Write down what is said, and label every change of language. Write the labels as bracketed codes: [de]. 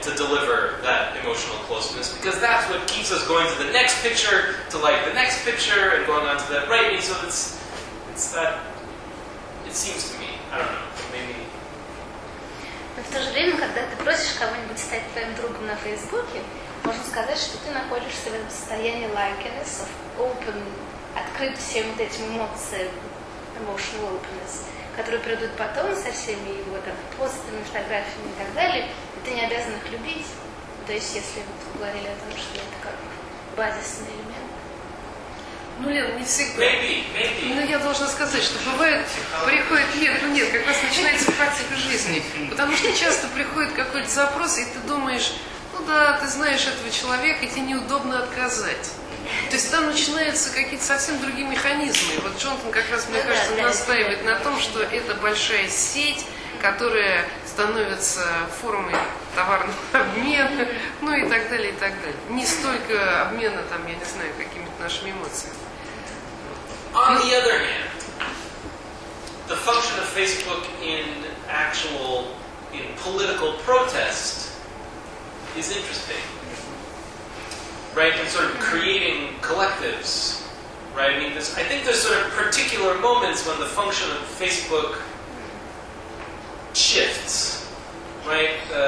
[en] because that's what keeps us going to the next picture, to like the next picture, and going on to that, right? And so it's that, it seems to me, I don't know, maybe. [ru] Но в то же время, когда ты просишь кого-нибудь стать твоим другом на Фейсбуке, можно сказать, что ты находишься в этом состоянии [en] likeness, of open, [ru] открыт всем вот этим эмоциям, [en] emotional openness, [ru] которые придут потом со всеми его там, постами, фотографиями и так далее, и ты не обязан их любить. То есть, если вот вы говорили о том, что это как базисный элемент. Ну, Лен, не всегда. [en] Maybe, maybe. [ru] Но я должна сказать, что бывает, приходит, нет, ну нет, как раз начинается практика жизни. Потому что часто приходит какой-то запрос, и ты думаешь, ну да, ты знаешь этого человека, и тебе неудобно отказать. То есть там начинаются какие-то совсем другие механизмы. Вот Джонатан как раз, мне кажется, настаивает на том, что это большая сеть, которая становится формой товарного обмена, ну и так далее, и так далее. Не столько обмена, там, я не знаю, какими-то нашими эмоциями. [en] On the other hand, the function of Facebook in actual, in political protest is interesting. Right, and sort of creating collectives, right? I mean, I think there's sort of particular moments when the function of Facebook shifts, right?